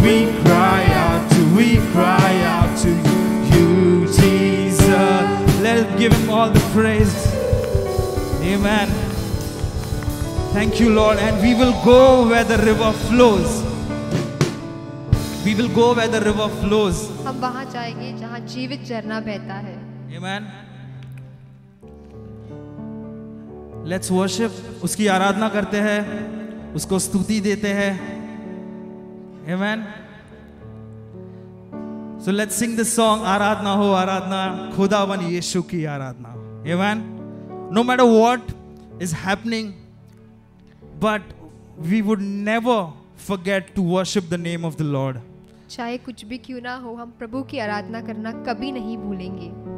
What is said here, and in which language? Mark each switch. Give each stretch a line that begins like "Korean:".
English: We cry out to, we cry out to you, Jesus. Let us give Him all the praise. Amen. Thank you, Lord. And we will go where the river flows. We will go where the river flows.
Hindi: हम वहाँ जाएंगे जहाँ जीवित झरना बहता है.
English: Amen. Let's worship.
Hindi: उसकी आराधना करते हैं, उसको स्तुति देते हैं.
English: Amen. So let's sing this song.
Hindi: आराधना हो आराधना, खुदावन यीशु की आराधना.
English: Amen. No matter what is happening, but we would never forget to worship the name of the Lord.
Hindi: चाहे कुछ भी क्यों ना हो, हम प्रभु की आराधना करना कभी नहीं भूलेंगे.